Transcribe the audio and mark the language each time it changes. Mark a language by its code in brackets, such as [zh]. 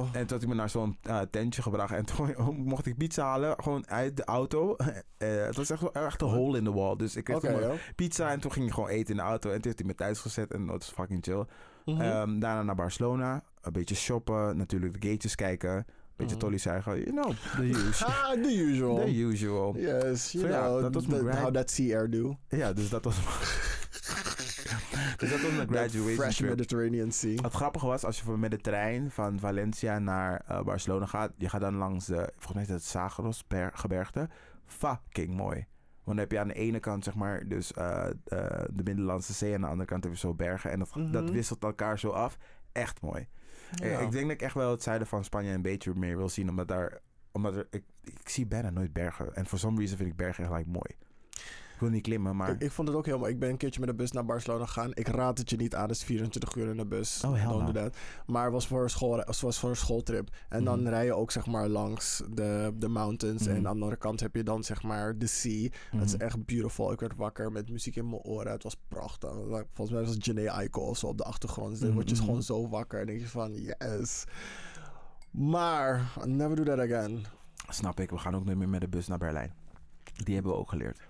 [nl] En toen had ik me naar zo'n tentje gebracht. En toen mocht ik pizza halen, gewoon uit de auto. Het was echt een [en] hole in the wall. [nl] Dus ik kreeg pizza en toen ging ik gewoon eten in de auto. En toen heeft hij me thuis gezet en dat was fucking chill. Mm-hmm. Daarna naar Barcelona. Een beetje shoppen, natuurlijk de gates kijken. Beetje tollies zeggen, [en] you know, the usual. Ah, the usual. The usual. Yes, you know, how that sea air do. [nl] Ja, dus dat was... Dus dat was mijn graduation [en] fresh trip. Mediterranean Sea. [nl] Het grappige was, als je met de trein van Valencia naar Barcelona gaat, je gaat dan langs de, volgens mij is het Sagros gebergte. Fucking mooi. Want dan heb je aan de ene kant zeg maar dus de Middellandse Zee, aan de andere kant heb je zo bergen. En dat, mm-hmm. dat wisselt elkaar zo af. Echt mooi. Ja. Ik denk dat ik echt wel het zuiden van Spanje een beetje meer wil zien, omdat daar, omdat er, ik zie bijna nooit bergen. En [en] for some reason [nl] vind ik bergen gelijk mooi. Ik wil niet klimmen, maar... Ik vond het ook heel mooi. Ik ben een keertje met de bus naar Barcelona gegaan. Ik raad het je niet aan. Het is 24 uur in de bus. [en] Oh, hell no. [nl] Maar het was voor een schooltrip. En dan rij je ook, zeg maar, langs de mountains. Mm. En aan de andere kant heb je dan, zeg maar, de sea. Mm. Dat is echt beautiful. Ik werd wakker met muziek in mijn oren. Het was prachtig. Volgens mij was Janae Aiko of zo op de achtergrond. Dus dan word je gewoon zo wakker. En denk je van, yes. Maar, [en] never do that again. [nl] Snap ik. We gaan ook nooit meer met de bus naar Berlijn. Die hebben we ook geleerd.